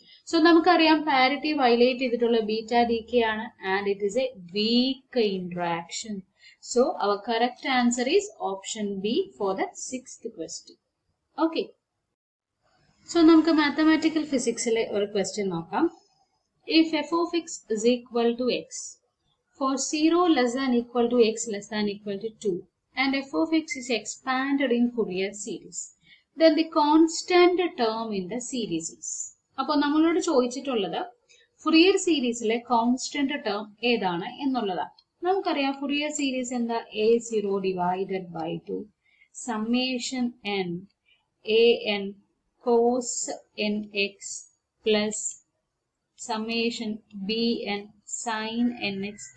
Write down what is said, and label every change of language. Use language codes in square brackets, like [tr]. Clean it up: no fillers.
[ml] So നമുക്കറിയാം parity violate ചെയ്തിട്ടുള്ള beta D K ആണ്, [en] And it is a weak interaction. So our correct answer is option B for the sixth question. [ml] Okay, so നമുക്ക് mathematical ഫിസിക്സിലെ ഒരു question നോക്കാം. [en] If f of x is equal to x for 0 less than equal to x less than equal to 2 and f of x is expanded in Fourier series, then the constant term in the series is. [ml] അപ്പോൾ നമ്മളോട് ചോദിച്ചിട്ടുള്ളത് Fourier സീരീസിലെ constant term ഏതാണ് എന്നുള്ളതാണ്. നമുക്കറിയാം Fourier series എന്താ? [en] A zero divided by two summation n a n cos n x plus summation b n sine n x.